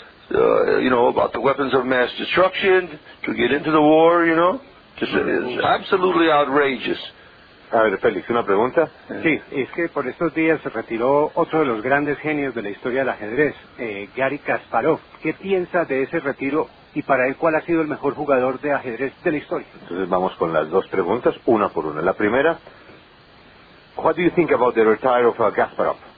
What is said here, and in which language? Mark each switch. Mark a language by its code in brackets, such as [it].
[en] Bush lied about the weapons of mass destruction to get into the war, you know. It's absolutely outrageous. [es] A ver, Félix, ¿una pregunta? Sí, es que por estos días se retiró otro de los grandes genios de la historia del ajedrez, Gary Kasparov. ¿Qué piensa de ese retiro y para él cuál ha sido el mejor jugador de ajedrez de la historia? Entonces vamos con las dos preguntas, una por una. La primera, [en] what do you think about the retire of Kasparov?